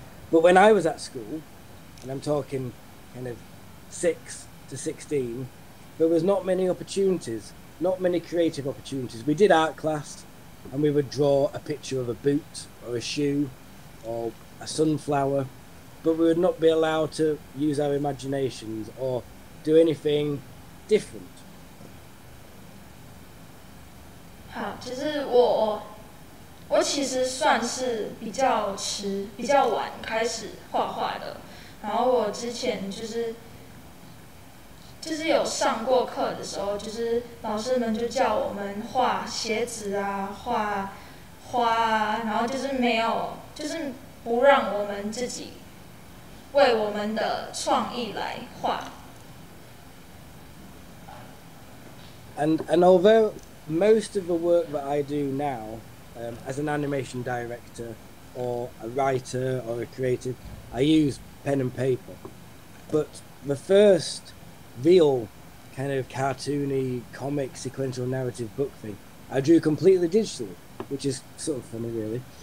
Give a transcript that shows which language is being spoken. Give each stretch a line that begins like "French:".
English: But when I was at school, and I'm talking kind of 6 to 16, there was not many opportunities, not many creative opportunities. We did art class, and we would draw a picture of a boot or a shoe or a sunflower, but we would not be allowed to use our imaginations or do anything different.
Chinese: 好，其实我其实算是比较迟、比较晚开始画画的。然后我之前就是有上过课的时候，就是老师们就叫我们画鞋子啊、画花啊，然后就是没有，就是不让我们自己为我们的创意来画。
English: And although most of the work that I do now, as an animation director or a writer or a creative, I use pen and paper. But the first real kind of cartoony, comic, sequential narrative book thing, I drew completely digitally, which is sort of funny, really.